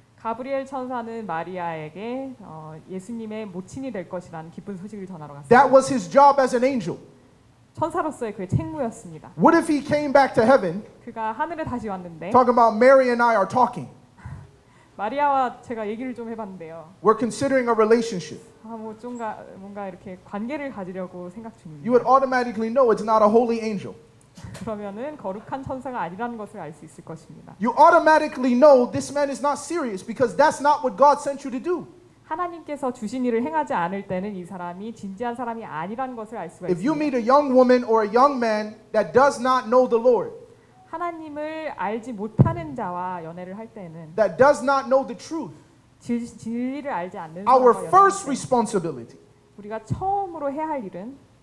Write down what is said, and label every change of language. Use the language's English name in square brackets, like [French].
[Korean] 가브리엘 천사는 마리아에게 예수님의 모친이 될 것이라는 기쁜 소식을 전하러 갔어요. [English] That was his job as an angel. [Korean] 천사로서의 그의 책무였습니다. [English] What if he came back to heaven? [Korean] 그가 하늘에 다시 왔는데. [English] Talking about Mary and I are talking. [Korean] 마리아와 제가 얘기를 좀 해봤는데요. [English] We're considering a relationship. [Korean] 뭔가 이렇게 관계를 가지려고 생각 중입니다. [English] You would automatically know it's not a holy angel. [Korean] 그러면은 거룩한 천사가 아니라는 것을 알 수 있을 것입니다. [English] You automatically know this man is not serious because that's not what God sent you to do. [Korean] 하나님께서 주신 일을 행하지 않을 때는 이 사람이 진지한 사람이 아니라는 것을 알 수가 있습니다. [English] If you meet a young woman or a young man that does not know the Lord. [Korean] 하나님을 알지 못하는 자와 연애를 할 때는 [English] that does not know the truth. [Korean] 진리를 알지 않는 [English] Our first responsibility. [Korean] 우리가 처음으로 해야 할 일은